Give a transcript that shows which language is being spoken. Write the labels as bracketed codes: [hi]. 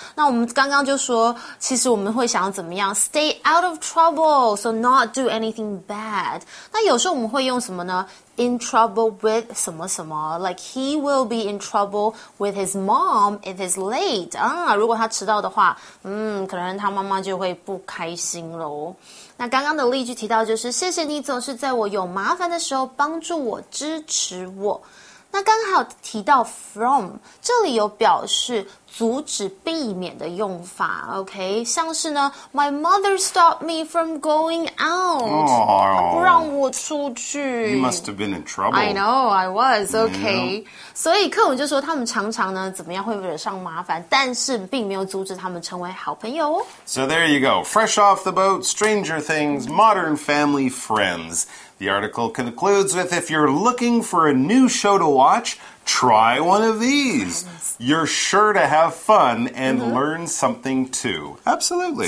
[zh] 那我们刚刚就说,其实我们会想怎么样? [en] Stay out of trouble, so not do anything bad. [zh] 那有时候我们会用什么呢? [en] In trouble with [zh] 什么什么, [en] like he will be in trouble with his mom if he's late. [zh] 啊,如果他迟到的话,可能他妈妈就会不开心咯。那刚刚的例句提到就是谢谢你总是在我有麻烦的时候帮助我支持我。那刚好提到 from, 这里有表示阻止避免的用法 ,OK? 像是呢 [en] ,my mother stopped me from going out,、 oh, [zh] 不让我出去。 [en] You must have been in trouble. I know, I was, OK?、Yeah. [zh] 所以课文就说他们常常呢怎么样会惹上麻烦但是并没有阻止他们成为好朋友哦。 [en] So there you go, fresh off the boat, Stranger Things, Modern Family, Friends. The article concludes with, if you're looking for a new show to watch, try one of these. You're sure to have fun and learn something too. Absolutely.